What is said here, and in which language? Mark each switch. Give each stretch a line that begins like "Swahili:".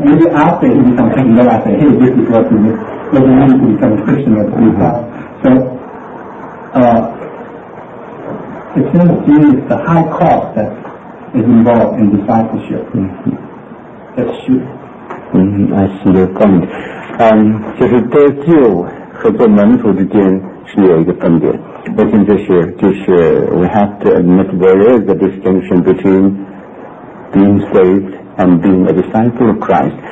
English: Maybe after he becomes a Christian, then I say, hey, this is what you need to become a Christian or a disciple. So, it seems to me it's the high cost that is involved in discipleship. That's true. I see your point.
Chinese: 就是得救和做门徒之间是有一个分别。我想就是
English: we have to admit there is a distinction between being saved and being a disciple of Christ.